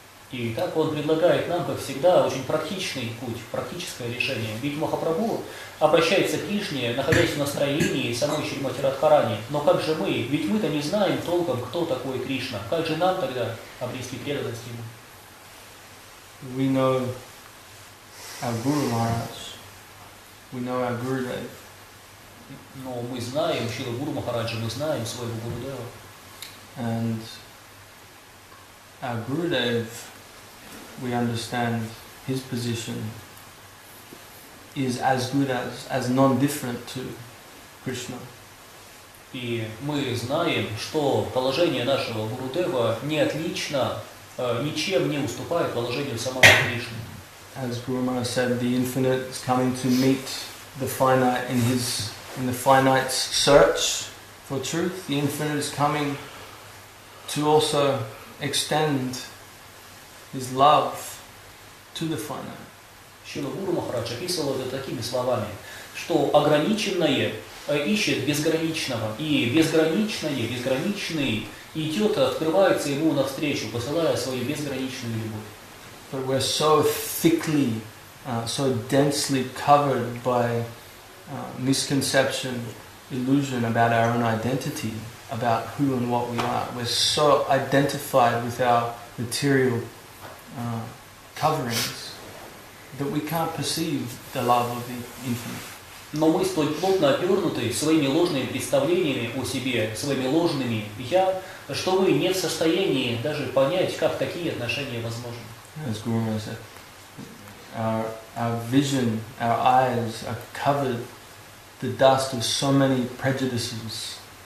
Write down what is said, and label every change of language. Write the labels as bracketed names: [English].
[Russian] И так он предлагает нам, как всегда, очень практичный путь, практическое решение. Ведь Махапрабху обращается к Кришне, находясь в настроении самой Шримати Радхарани. Но как же мы? Ведь мы-то не знаем толком, кто такой Кришна. Как же нам тогда обрести преданность ему? [English] We know our Guru Maharaj. We know our Gurudev. [Russian] Но мы знаем Шрилу Гуру Махараджа, мы знаем своего Гурудева. [English] And our Gurudev, we understand his position is as good as non-different to Krishna. [Russian] И мы знаем, что положение нашего Гурудева не отлично, ничем не уступает положению самого Кришны. [English] As Guru Maharaj said, the infinite is coming to meet the finite in the finite's search for truth. The infinite is coming to also extend his love to the finite. [Russian] Шрила Гуру Махарадж описывал это такими словами, что ограниченное ищет безграничного, и безграничное, безграничный идет, открывается ему навстречу, посылая свою безграничную любовь. [English] But we're so thickly, so densely covered by misconception, illusion about our own identity, about who and what we are. We're so identified with our material coverings that we can't perceive the love of the infinite. [Russian] Но мы столь плотно обернуты своими ложными представлениями о себе, своими ложными «я», что мы не в состоянии даже понять, как такие отношения возможны. [English] As Guru Maharaj said, our vision, our eyes are covered the dust of so many prejudices.